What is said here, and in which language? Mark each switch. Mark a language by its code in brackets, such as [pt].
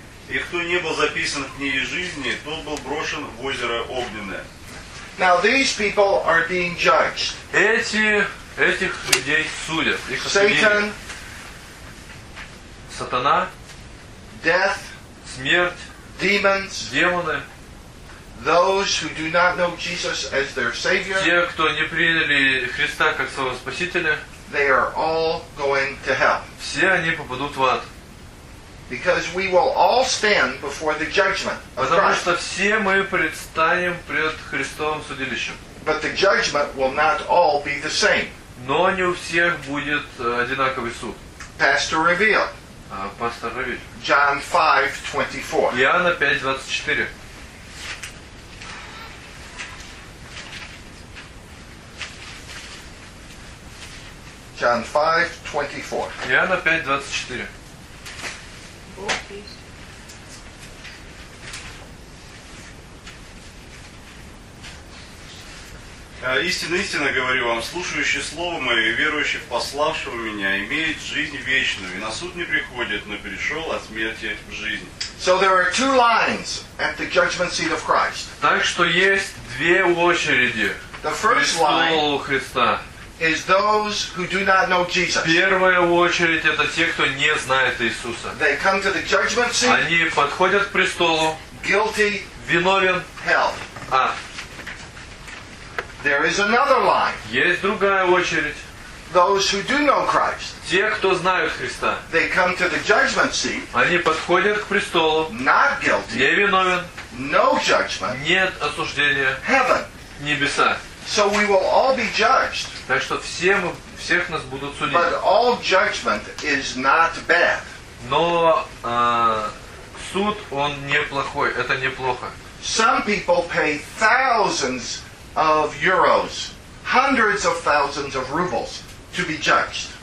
[ru] И кто не был записан в книге жизни, тот был брошен в озеро огненное. [en] Now these people are being judged. [ru] Этих людей судят. Их [en] Satan, [ru] сатана, [en] death, [ru] смерть, [en] demons, [ru] демоны. [en] Those who do not know Jesus as their Savior, [ru] те, кто не приняли Христа как своего Спасителя, [en] they are all going to hell. [ru] Все они попадут в ад. [en] Because we will all stand before the judgment of Christ. [ru] Потому что все мы предстанем пред Христовым судилищем. [en] But the judgment will not all be the same. [ru] Но не у всех будет одинаковый суд. [en] Pastor Reveal. [ru] Пастор Ревит. [en] John 5:24. [ru] Иоанна 5:24. [en] John 5:24. [ru] Иоанна 5:24. Истинно, истинно говорю вам, слушающий Слово Мое и верующий в пославшего Меня имеет жизнь вечную, и на суд не приходит, но перешел от смерти в жизнь. [en] So there are two lines at the judgment seat of Christ. [ru] Так что есть две очереди. [en] The first line [ru] Христа. [en] Is those who do not know Jesus. [ru] Первая очередь это те, кто не знает Иисуса. [en] They come to the judgment seat. [ru] Они подходят к престолу. [en] Guilty. [ru] Виновен. [en] Hell. А. There is another line. [ru] Есть другая очередь. [en] Those who do know Christ, [ru] те, кто знают Христа, [en] they come to the judgment seat, [ru] они подходят к престолу, [en] not guilty, [ru] не виновен, [en] no judgment, [ru] нет осуждения, [en] heaven, [ru] небеса. [en] So we will all be judged. [ru] Так что все мы, всех нас будут судить. [en] But all judgment is not bad. [ru] Но суд, он неплохой, это неплохо. [en] Some people pay thousands of euros, hundreds of thousands of rubles to be judged.